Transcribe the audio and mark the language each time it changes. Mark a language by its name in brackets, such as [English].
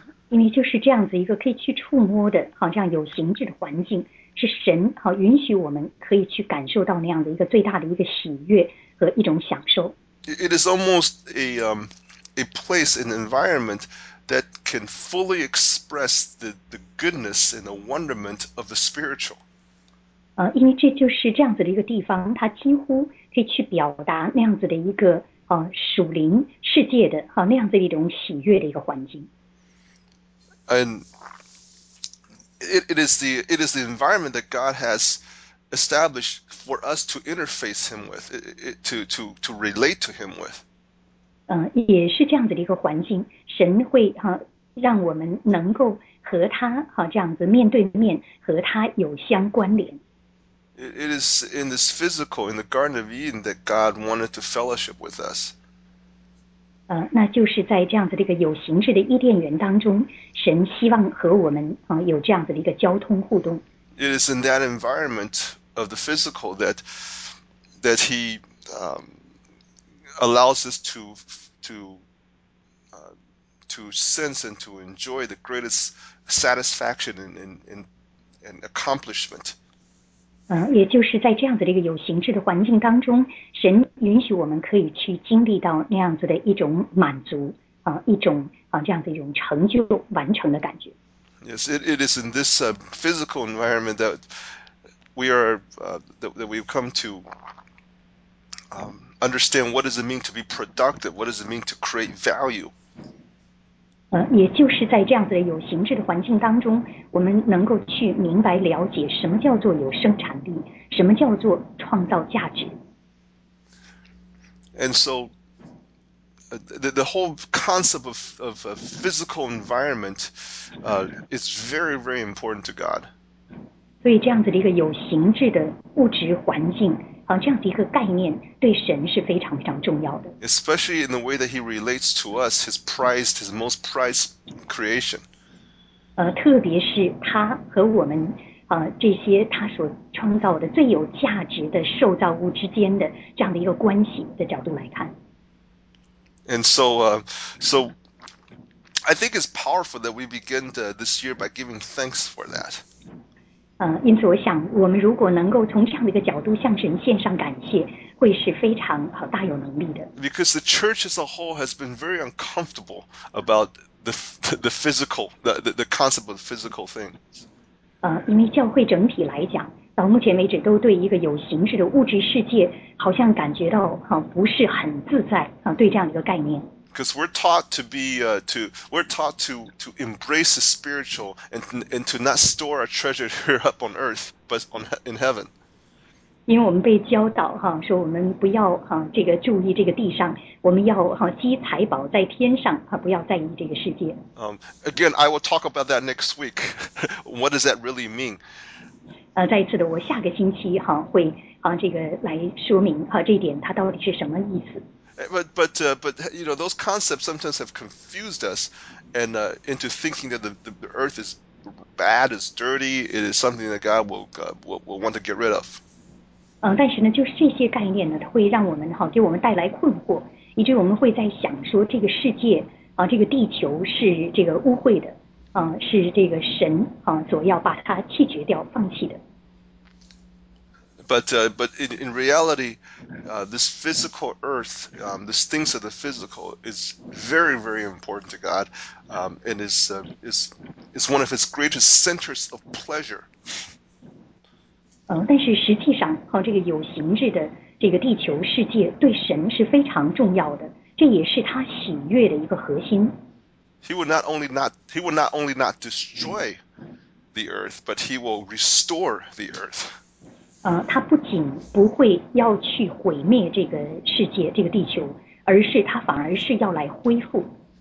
[Chinese] 因为就是这样子一个可以去触摸的，好像有形质的环境，是神好允许我们可以去感受到那样的一个最大的一个喜悦和一种享受。 [English] It is almost a place, an environment that can fully express the goodness and the wonderment of the spiritual. [Chinese] 因为这就是这样子的一个地方，它几乎可以去表达那样子的一个属灵世界的那样子的一种喜悦的一个环境。 [English] And it is the environment that God has established for us to interface Him with, to relate to Him with. [Chinese] 也是这样子的一个环境，神会让我们能够和他这样子面对面和他有相关联。 [English] It is in this physical, in the Garden of Eden, that God wanted to fellowship with us. [Chinese] 那就是在这样子的一个有形式的伊甸园当中，神希望和我们有这样子的一个交通互动。 [English] It is in that environment of the physical that he allows us to sense and to enjoy the greatest satisfaction and accomplishment. [Chinese] 也就是在这样子的一个有形式的环境当中，神允许我们可以去经历到那样子的一种满足，一种这样子一种成就完成的感觉。 [English] Yes, it is in this physical environment that we are that we've come to understand what does it mean to be productive, what does it mean to create value. [Chinese] 也就是在这样子的有形式的环境当中，我们能够去明白了解什么叫做有生产力，什么叫做创造价值。 [English] And so, the whole concept of a physical environment is very, very important to God. [Chinese] 所以这样子的一个有形质的物质环境，这样子一个概念对神是非常非常重要的。 [English] Especially in the way that he relates to us, his most prized creation. [Chinese] 特别是他和我们这些他所创造的最有价值的受造物之间的这样的一个关系的角度来看。 [English] And so I think it's powerful that we begin this year by giving thanks for that. [Chinese] 因此我想我们如果能够从这样的一个角度向神献上感谢，会是非常大有能力的。 [English] Because the church as a whole has been very uncomfortable about the physical, the concept of the physical thing. [Chinese] 因为教会整体来讲，到目前为止都对一个有形式的物质世界好像感觉到不是很自在对这样一个概念。 [English] Because we're taught to be we're taught to embrace the spiritual and to not store our treasure here up on earth but in heaven. [Chinese] 因为我们被教导说我们不要这个注意这个地上，我们要积财宝在天上，不要在意这个世界。 [English] Again, I will talk about that next week. What does that really mean? [Chinese] 再一次的，我下个星期会这个来说明这一点它到底是什么意思。 [English] But you know those concepts sometimes have confused us and into thinking that the earth is bad, is dirty, it is something that God will want to get rid of. [Chinese] 但是呢，就是这些概念呢，它会让我们给我们带来困惑，以至于我们会在想说这个世界这个地球是这个污秽的。是这个神所要把它弃绝掉放弃的。 [English] But in reality, this physical earth, this things of the physical is very, very important to God, and is one of his greatest centers of pleasure. [Chinese] 但是实际上这个有形质的这个地球世界对神是非常重要的，这也是他喜悦的一个核心。 [English] He will not only not destroy the earth, but he will restore the earth. [Chinese] 他不仅不会要去毁灭这个世界，这个地球，而是他反而是要来恢复。